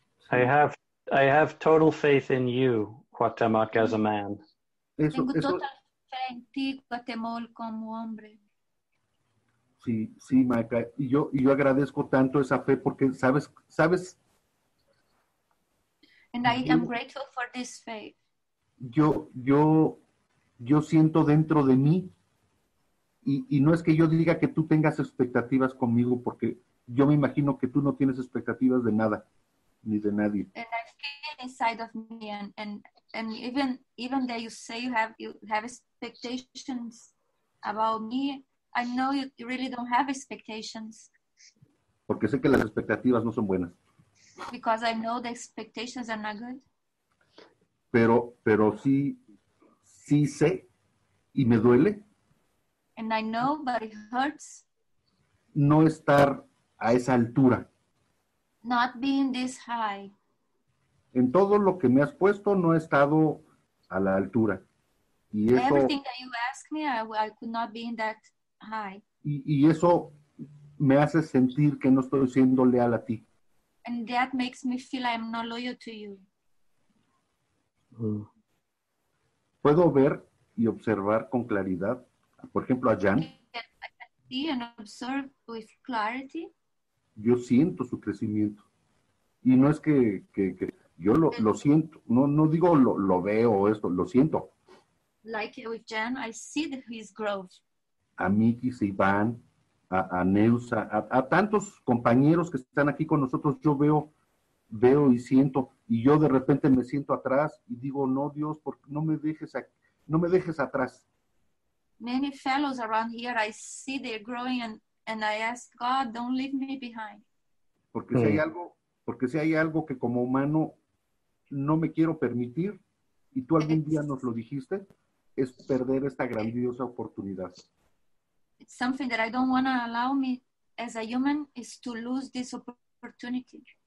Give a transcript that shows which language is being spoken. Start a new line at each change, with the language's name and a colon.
English: I have total faith in you, Cuauhtémoc, as a man.
Spanish: Tengo total fe en ti, Cuauhtémoc, como hombre. Sí, Maica. Y yo agradezco tanto esa fe porque sabes.
English: And I am grateful for this faith.
Spanish: Yo yo siento dentro de mí, y no es que yo diga que tú tengas expectativas conmigo, porque yo me imagino que tú no tienes expectativas de nada, ni de nadie.
English: And I feel inside of me, and even though you say you have expectations about me, I know you really don't have expectations.
Spanish: Porque sé que las expectativas no son buenas.
English: Because I know the expectations are not good.
Spanish: Pero sí sé, y me duele.
English: And I know, but it hurts.
Spanish: No estar a esa altura.
English: Not being this high.
Spanish: En todo lo que me has puesto, no he estado a la altura. Y eso,
English: everything that you ask me, I could not be in that high.
Spanish: Y eso me hace sentir que no estoy siendo leal a ti.
English: And that makes me feel I'm not loyal to you.
Spanish: Puedo ver y observar con claridad, por ejemplo, a Jan.
English: I can see and observe with clarity.
Spanish: Yo siento su crecimiento. Y no es que yo lo siento. No digo lo veo esto, lo siento.
English: Like with Jan, I see his growth.
Spanish: A Mikis, a Iván, a Neusa, a tantos compañeros que están aquí con nosotros, yo veo y siento. Y yo de repente me siento atrás y digo, no, Dios, porque no me dejes atrás.
English: Many fellows around here, I see they're growing and I ask God, don't leave me behind.
Spanish: Porque si hay algo, que como humano no me quiero permitir, y tú algún día nos lo dijiste, es perder esta grandiosa oportunidad.
English: It's something that I don't want to allow me as a human is to lose this opportunity.